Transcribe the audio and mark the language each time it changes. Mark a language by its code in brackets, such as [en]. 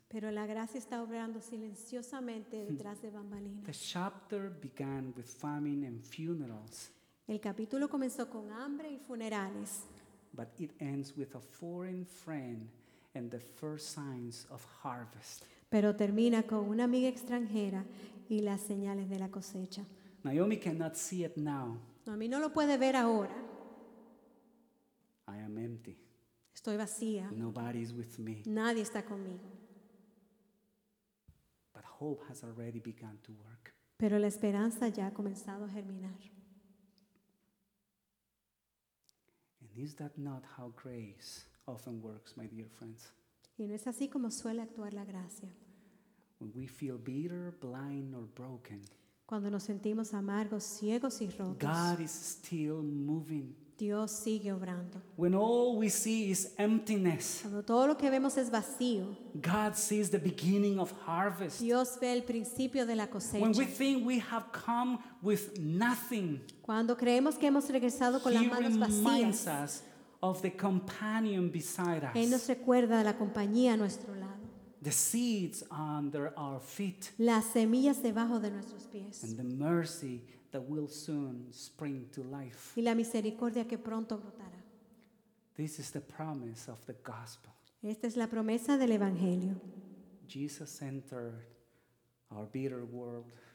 [es] Pero la gracia está obrando silenciosamente detrás de bambalinas. [en] The chapter began with famine and funerals. [es] El capítulo comenzó con hambre y funerales. [en] But it ends with a foreign friend and the first signs of harvest. [es] Pero termina con una amiga extranjera y las señales de la cosecha. [en] Naomi cannot see it now. [es] Naomi no lo puede ver ahora. [en] I am empty. [es] Estoy vacía. [en] Nobody is with me. [es] Nadie está conmigo. [en] But hope has already begun to work. [es] Pero la esperanza ya ha comenzado a germinar. [en] And is that not how grace often works, my dear friends? [es] Y no es así como suele actuar la gracia. [en] When we feel bitter, blind, or broken, [es] cuando nos sentimos amargos, ciegos y rotos, [en] God is still moving. [es] Dios sigue obrando. [en] When all we see is emptiness, [es] cuando todo lo que vemos es vacío, [en] God sees the beginning of harvest. [es] Dios ve el principio de la cosecha. [en] When we think we have come with nothing, [es] cuando creemos que hemos regresado con las manos vacías, [en] He reminds us of the companion beside us. [es] Él nos recuerda la compañía a nuestro lado. [en] The seeds under our feet. [es] Las semillas debajo de nuestros pies. [en] And the mercy that will soon spring to life. [es] Y la misericordia que pronto brotará. [en] This is the promise of the gospel. [es] Esta es la promesa del evangelio. [en] Jesus entered our bitter world.